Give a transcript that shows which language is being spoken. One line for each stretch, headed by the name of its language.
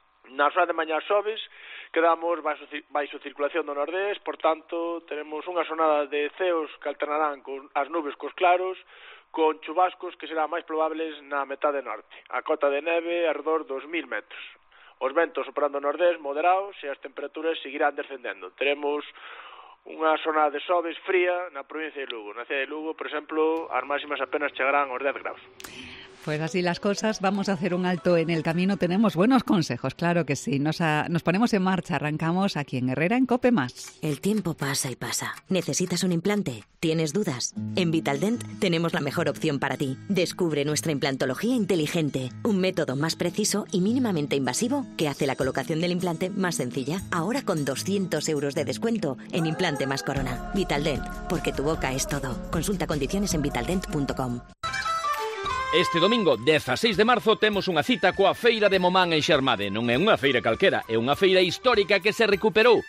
Galician: Na zona de mañá xoves, quedamos baixo circulación do nordés, por tanto, teremos unha xornada de ceos que alternarán con as nubes cos claros, con chubascos que serán máis probables na metade norte. A cota de neve, arredor dos 1.000 metros. Os ventos operando nordés moderados e as temperaturas seguirán descendendo. Teremos unha zona de sobes fría na provincia de Lugo. Na cidade de Lugo, por exemplo, as máximas apenas chegarán aos 10 graus.
Spanish: Pues así las cosas, vamos a hacer un alto en el camino. Tenemos buenos consejos, claro que sí. Nos ponemos en marcha, arrancamos aquí en Herrera en COPE Más. El tiempo pasa y pasa. ¿Necesitas un implante? ¿Tienes dudas? En Vitaldent tenemos la mejor opción para ti. Descubre nuestra implantología inteligente. Un método más preciso y mínimamente invasivo que hace la colocación del implante más sencilla. Ahora con 200 euros de descuento en Implante Más Corona. Vitaldent, porque tu boca es todo. Consulta condiciones en vitaldent.com.
Galician: Este domingo, 16 de marzo, temos unha cita coa Feira de Momán en Xermade. Non é unha feira calquera, é unha feira histórica que se recuperou.